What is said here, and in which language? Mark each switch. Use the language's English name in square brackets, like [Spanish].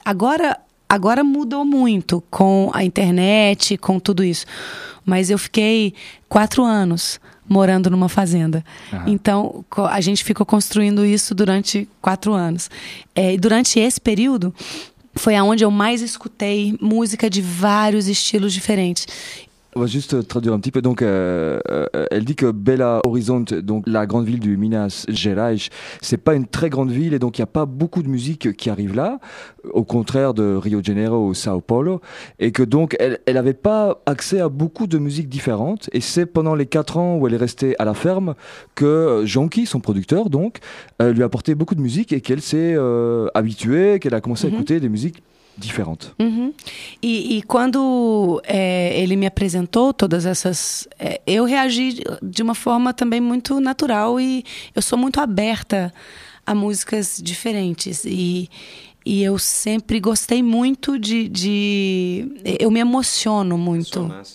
[Portuguese] Agora mudou muito com a internet, com tudo isso. Mas eu fiquei 4 anos... morando numa fazenda. Uhum. Então, a gente ficou construindo isso durante 4 anos. E durante esse período, foi aonde eu mais escutei música de vários estilos diferentes. [French] On va juste traduire un petit peu. Donc, elle dit que Belo Horizonte, donc la grande ville du Minas Gerais, c'est pas une très grande ville et donc il y a pas beaucoup de musique qui arrive là, au contraire de Rio de Janeiro ou São Paulo, et que donc elle avait pas accès à beaucoup de musique différente. Et c'est pendant les 4 ans où elle est restée à la ferme que Jonky, son producteur, donc, lui a apporté beaucoup de musique et qu'elle s'est habituée, qu'elle a commencé à écouter des musiques diferente. [Portuguese] E quando ele me apresentou todas essas... eu reagi de uma forma também muito natural e eu sou muito aberta a músicas diferentes. E eu sempre gostei muito de eu me emociono muito.